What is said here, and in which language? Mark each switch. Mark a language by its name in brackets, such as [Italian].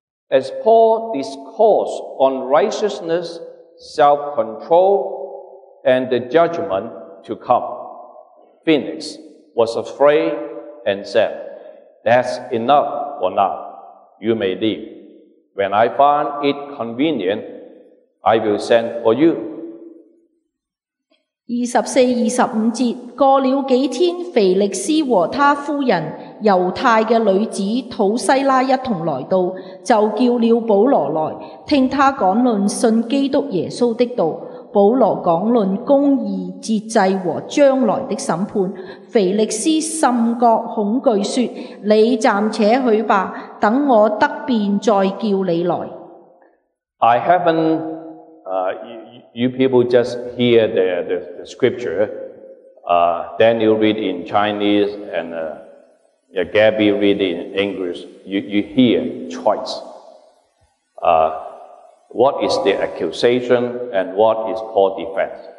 [English] As Paul discoursed on righteousness, self-control, and the judgment to come, Phoenix. Was afraid and said, "That's enough for now. You may leave. When I find it convenient, I will send for you." [Chinese] 24-25节过了几天，腓力斯和他夫人犹太嘅女子土西拉一同来到，就叫了保罗来，听他讲论信基督耶稣的道。保罗讲论公义、节制和将来的审判，腓力斯甚觉恐惧，说：你暂且去吧，等我得便再叫你来。 [English] I haven't, you people just hear the scripture. Daniel read in Chinese and Gabby read in English. You hear twice. What is the accusation and what is Paul's defense?